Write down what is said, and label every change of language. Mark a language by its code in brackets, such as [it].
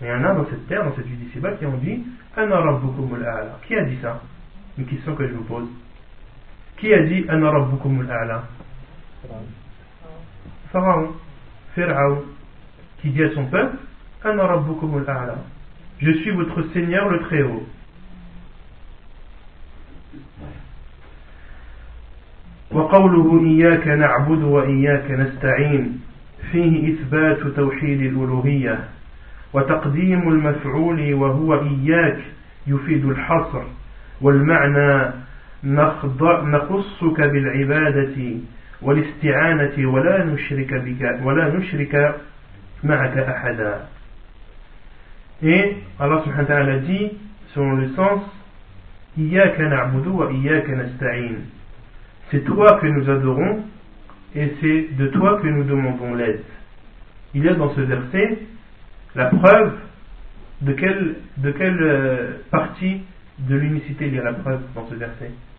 [fr] Il y en a dans cette terre, dans cette vie d'ici-bas, qui ont dit « [ar] Ana rabbukumul a'la [fr] ». Qui a dit ça? Une question que je vous pose. Qui a dit « [ar] Ana rabbukumul a'la » ? [fr] Pharaon, Pharaon, qui dit à son peuple « [ar] Ana rabbukumul a'la ». [fr] Je suis votre Seigneur le Très-Haut. [ar] وقوله إياك نعبد وإياك نستعين فيه إثبات توحيد الألوهية وتقديم المفعول وهو إياك يفيد الحصر والمعنى نخصك بالعبادة والاستعانة ولا نشرك بك ولا نشرك معك أحدا. [fr] Et Allah subhanahu wa ta'ala dit, selon le sens, « [ar] Iyaka na'budu wa iyaka nasta'in [fr] » C'est toi que nous adorons et c'est de toi que nous demandons l'aide. Il y a dans ce verset la preuve de quelle partie de l'unicité il y a la preuve dans ce verset.